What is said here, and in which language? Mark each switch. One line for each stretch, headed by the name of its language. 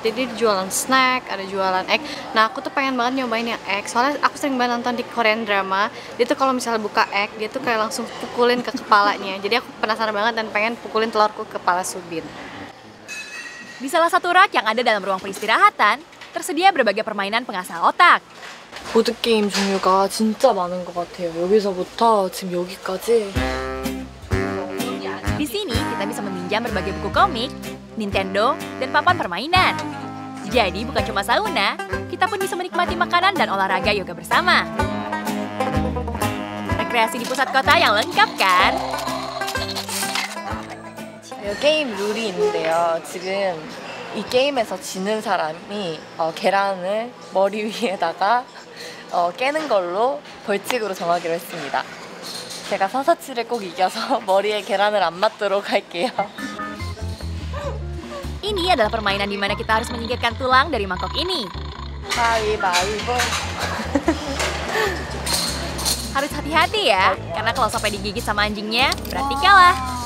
Indonesian: Jadi jualan snack, ada jualan egg. Nah, aku tuh pengen banget nyobain yang egg. Soalnya aku sering banget nonton di Korean drama. Dia tuh kalau misalnya buka egg, dia tuh kayak langsung pukulin ke kepalanya. Jadi aku penasaran banget dan pengen pukulin telurku ke kepala Subin. Di salah satu rak yang ada dalam ruang peristirahatan, tersedia berbagai permainan pengasah otak.
Korean: Board game 종류가 진짜 많은 것 같아요. 여기서부터 지금 여기까지.
Indonesian: Di sini kita bisa meminjam berbagai buku komik, Nintendo, dan papan permainan. Jadi bukan cuma sauna, kita pun bisa menikmati makanan dan olahraga yoga bersama. Rekreasi di pusat kota yang lengkap kan?
Korean: Game rule-이 있는데요. 지금 이 게임에서 지는 사람이 계란을 머리 위에다가 깨는 걸로 벌칙으로 정하기로 했습니다. 제가 서사치를 꼭 이겨서 머리에 계란을 안 맞도록 할게요.
Indonesian: Ini adalah permainan di mana kita harus menyingkirkan tulang dari mangkok ini. Gaibaibo. Harus hati-hati ya, karena kalau sampai digigit sama anjingnya, berarti kalah.